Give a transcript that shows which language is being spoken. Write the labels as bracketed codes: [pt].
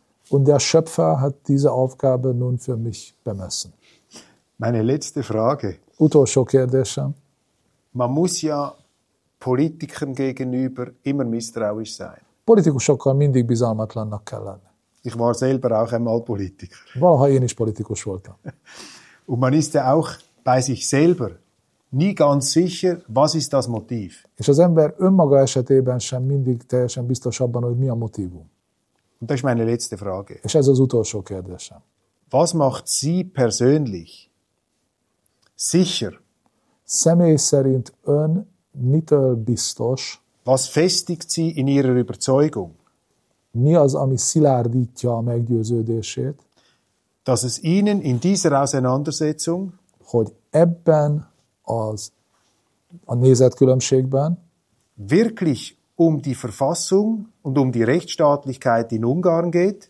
[de] Und der Schöpfer hat diese Aufgabe nun für mich bemessen. Meine letzte Frage. [hu] Utolsó kérdésem. [de] Man muss ja Politikern gegenüber immer misstrauisch sein. [hu] Politikusokkal mindig bizalmatlannak kell lenni. [de] Ich war selber auch einmal Politiker. [hu] Valaha én is politikus voltam. [de] Und man ist ja auch bei sich selber nie ganz sicher, was ist das Motiv. [hu] És az ember önmaga esetében sem mindig teljesen biztos abban, hogy mi a motivum. [de] Und das ist meine letzte Frage. [hu] És ez az utolsó kérdésem. [de] Was macht Sie persönlich sicher? [hu] Személy szerint ön mitől biztos? [de] Was festigt Sie in Ihrer Überzeugung? [hu] Mi az, ami szilárdítja a meggyőződését? [de] Dass es Ihnen in dieser Auseinandersetzung, [hu] hogy ebben az a nézetkülönbségben [de] wirklich um die Verfassung und um die Rechtsstaatlichkeit in Ungarn geht.